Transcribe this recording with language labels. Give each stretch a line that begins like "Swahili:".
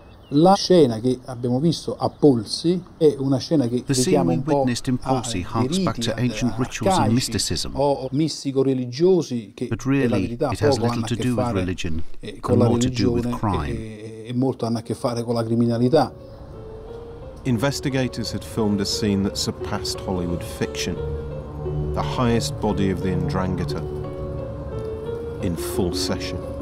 Italian: La scena che abbiamo visto a Polsi è una scena che
English: the scene we witnessed in Polsi harks back to ancient rituals and mysticism. But really, it has little to do with religion, and more to do with crime.
Italian: E molto hanno a che fare con la criminalità.
English: Investigators had filmed a scene that surpassed Hollywood fiction. The highest body of the Ndrangheta in full session.